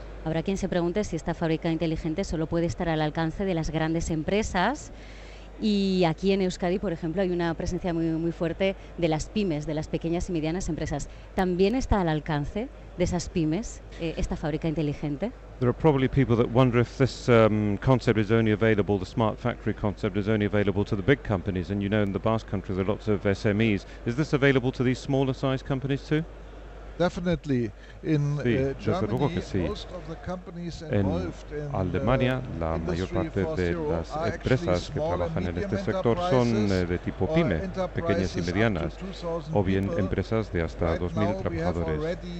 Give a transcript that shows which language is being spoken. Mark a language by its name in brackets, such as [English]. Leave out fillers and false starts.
[Spanish] Habrá quien se pregunte si esta fábrica inteligente solo puede estar al alcance de las grandes empresas. Y aquí en Euskadi, por ejemplo, hay una presencia muy, muy fuerte de las pymes, de las pequeñas y medianas empresas. ¿También está al alcance de esas pymes esta fábrica inteligente? [English] There are probably people that wonder if this concept is only available, the smart factory concept is only available to the big companies. And you know, in the Basque Country, there are lots of SMEs. Is this available to these smaller size companies too? Definitely. In [Spanish] sí, desde luego que sí. En Alemania, la mayor parte de las empresas que trabajan en este sector son de tipo PYME, pequeñas y medianas, o bien empresas de hasta 2.000 trabajadores.